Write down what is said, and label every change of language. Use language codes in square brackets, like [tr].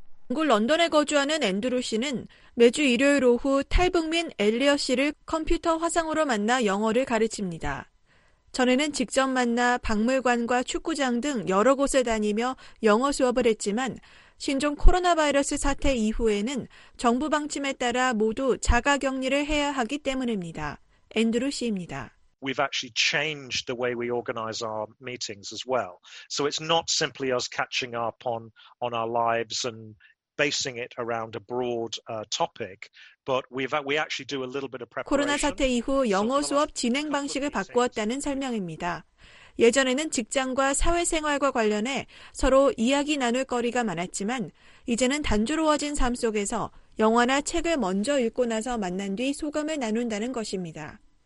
[ko] 영국 런던에 거주하는 앤드루 씨는 매주 일요일 오후 탈북민 엘리엇 씨를 컴퓨터 화상으로 만나 영어를 가르칩니다. 전에는 직접 만나 박물관과 축구장 등 여러 곳을 다니며 영어 수업을 했지만 신종 코로나 바이러스 사태 이후에는 정부 방침에 따라 모두 자가 격리를 해야 하기 때문입니다. 앤드루 씨입니다. [en] We've actually changed the way we organize our meetings as well. So it's not simply us catching up on our lives and basing it around a broad topic, but we actually do a little bit of preparation. [ko] 코로나 사태 이후 영어 수업 진행 방식을 바꾸었다는 설명입니다. 예전에는 직장과 사회생활과 관련해 서로 이야기 나눌 거리가 많았지만 이제는 단조로워진 삶 속에서 영화나 책을 먼저 읽고 나서 만난 뒤 소감을 나눈다는 것입니다.